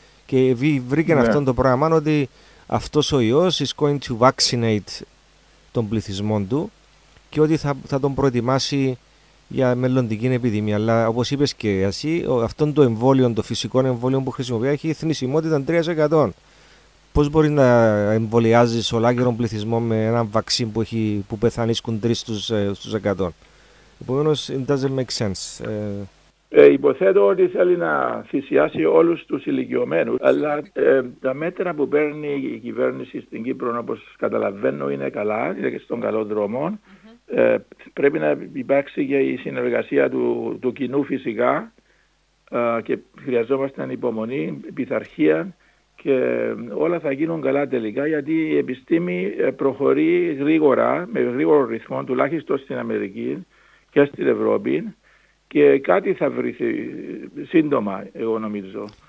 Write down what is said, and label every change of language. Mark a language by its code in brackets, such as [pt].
[el] Και βρήκε αυτό το πράγμα, ότι αυτός ο ιός [en] is going to vaccinate [el] τον πληθυσμό του και ότι θα τον προετοιμάσει για μελλοντική επιδημία. Αλλά όπως είπες και εσύ, αυτό το εμβόλιο, το φυσικό εμβόλιο που χρησιμοποιεί, έχει θνησιμότητα 3%. Πώς μπορεί να εμβολιάζεις ολάκερον πληθυσμό με ένα βαξίν που πεθανίσκουν 3 στους 100. Επομένως, [en] it doesn't make sense. [el] Υποθέτω ότι θέλει να θυσιάσει όλους τους ηλικιωμένους, αλλά τα μέτρα που παίρνει η κυβέρνηση στην Κύπρο, όπως καταλαβαίνω, είναι καλά, είναι και στον καλό δρόμο. Πρέπει να υπάρξει και η συνεργασία του κοινού φυσικά και χρειαζόμαστε υπομονή, πειθαρχία και όλα θα γίνουν καλά τελικά, γιατί η επιστήμη προχωρεί γρήγορα, με γρήγορο ρυθμό, τουλάχιστον στην Αμερική και στην Ευρώπη, και κάτι θα βρεθεί σύντομα, εγώ νομίζω.